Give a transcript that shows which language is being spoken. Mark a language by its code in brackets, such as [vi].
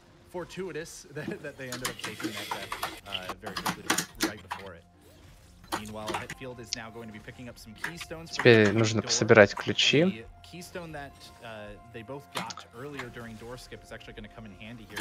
[en] Fortuitous that they ended up taking that death very quickly right before it. Meanwhile, Hetfield is now going to be picking up some keystones. [ru] Теперь нужно пособирать ключи. [en] Keystone that they both got earlier during door skip is actually going to come in handy here.